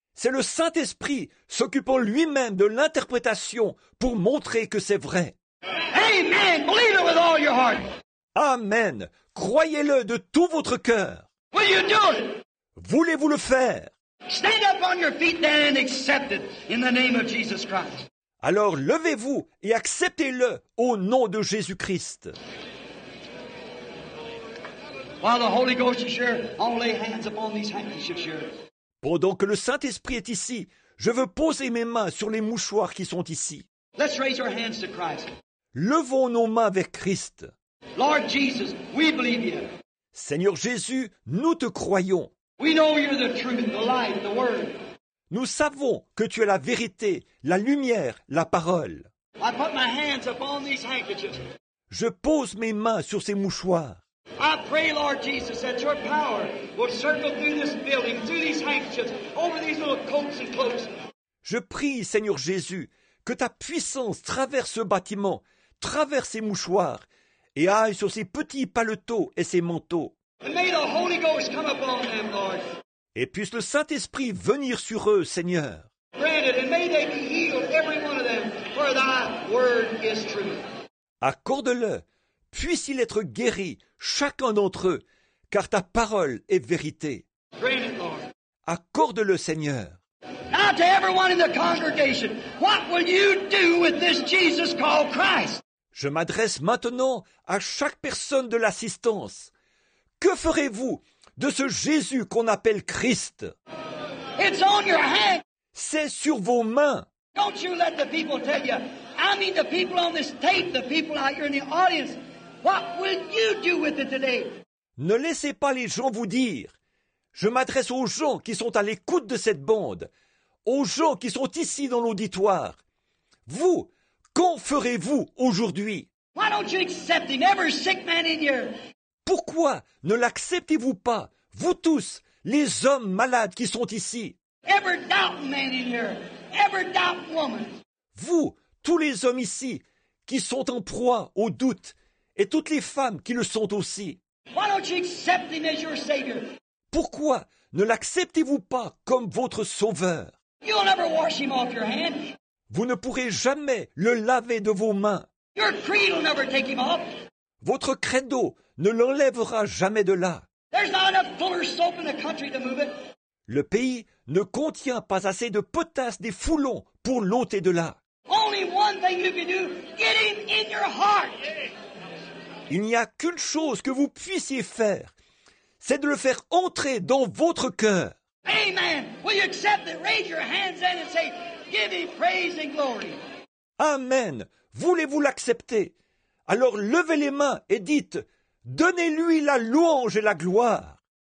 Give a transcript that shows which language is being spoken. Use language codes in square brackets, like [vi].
[fr] C'est le Saint-Esprit s'occupant lui-même de l'interprétation pour montrer que c'est vrai. [en] Amen. Believe it with all your heart. Amen. [fr] Croyez-le de tout votre cœur. [en] Will you do it? [fr] Voulez-vous le faire? [en] Stand up on your feet then and accept it in the name of Jesus Christ. [fr] Alors levez-vous et acceptez-le au nom de Jésus-Christ. [en] While the Holy Ghost is here, I'll lay hands upon these handkerchiefs here. [fr] Pendant que le Saint-Esprit est ici, je veux poser mes mains sur les mouchoirs qui sont ici. [en] Let's raise our hands to Christ. [fr] Levons nos mains vers Christ. [en] Lord Jesus, we believe you. [fr] Seigneur Jésus, nous te croyons. [en] We know you're the truth, the light, the word. [fr] Nous savons que tu es la vérité, la lumière, la parole. [en] I put my hands upon these handkerchiefs. [fr] Je pose mes mains sur ces mouchoirs. [en] I pray, Lord Jesus, that your power will circle through this building, through these handkerchiefs, over these little coats and cloaks. [fr] Je prie, Seigneur Jésus, que ta puissance traverse ce bâtiment, traverse ces mouchoirs, et aille sur ces petits paletots et ces manteaux. [en] And may the Holy Ghost come upon them, Lord. [fr] Et puisse le Saint-Esprit venir sur eux, Seigneur. [en] Granted, and may they be healed, every one of them, for thy word is truth. [fr] Accorde-le, puisse-il être guéri, chacun d'entre eux, car ta parole est vérité. [en] Granted, Lord. [fr] Accorde-le, Seigneur. [en] Now to everyone in the congregation, what will you do with this Jesus called Christ? [fr] Je m'adresse maintenant à chaque personne de l'assistance. Que ferez-vous de ce Jésus qu'on appelle Christ? [en] It's on your hand. [fr] C'est sur vos mains. [en] Don't you let the people tell you, I mean the people on this tape, the people out here in the audience, what will you do with it today? [fr] Ne laissez pas les gens vous dire. Je m'adresse aux gens qui sont à l'écoute de cette bande, aux gens qui sont ici dans l'auditoire. Vous, qu'en ferez-vous aujourd'hui? [en] Why don't you accept him, every sick man in here? [fr] Pourquoi ne l'acceptez-vous pas, vous tous, les hommes malades qui sont ici? [en] Every doubting man in here, every doubting woman. [fr] Vous, tous les hommes ici, qui sont en proie au doute, et toutes les femmes qui le sont aussi. [en] Why don't you accept him as your savior? [fr] Pourquoi ne l'acceptez-vous pas comme votre sauveur? [en] You'll never wash him off your hand. [fr] Vous ne pourrez jamais le laver de vos mains. [en] Your creed will never take him off. [fr] Votre credo ne l'enlèvera jamais de là. [en] There's not enough fuller soap in the country to move it. [fr] Le pays ne contient pas assez de potasse des foulons pour l'ôter de là. [en] Only one thing you can do, get him in your heart. [fr] Il n'y a qu'une chose que vous puissiez faire. C'est de le faire entrer dans votre cœur. [en] Amen. Will you accept it? Raise your hands and say, give me praise and glory. [fr] Amen. Voulez-vous l'accepter? Alors levez les mains et dites, donnez-lui la louange et la gloire.